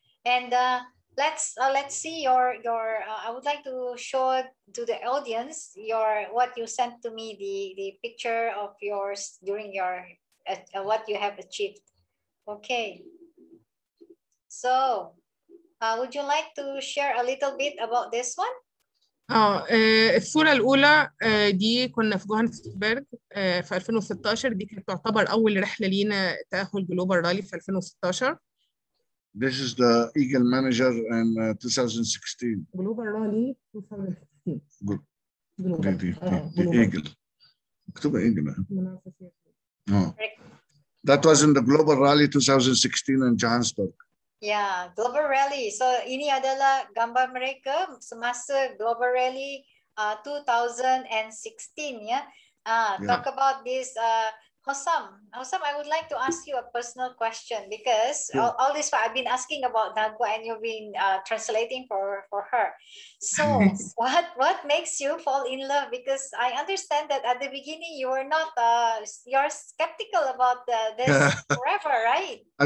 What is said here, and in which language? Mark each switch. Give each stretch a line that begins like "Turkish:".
English: And let's see your I would like to show to the audience your what you sent to me, the picture of yours during your what you have achieved. Okay, so would you like to share a little bit about this one?
Arabic: الصورة الأولى دي كنا في جوهانسبرغ في 2016. دي كانت تعتبر أول رحلة لينا تأهل جلوبال رالي في 2016.
English: This is the Eagle Manager in 2016. Global Rally 2016. Good. The Eagle. That was in the Global Rally 2016 in Johannesburg. Yeah, Global Rally.
Malay: So ini adalah gambar mereka semasa Global Rally 2016.
English: Yeah. Talk about this. Hosam, I would like to ask you a personal question because all this while I've been asking about Nagwa and you've been translating for her. So what makes you fall in love? Because I understand that at the beginning you were not, you're skeptical about this forever, right?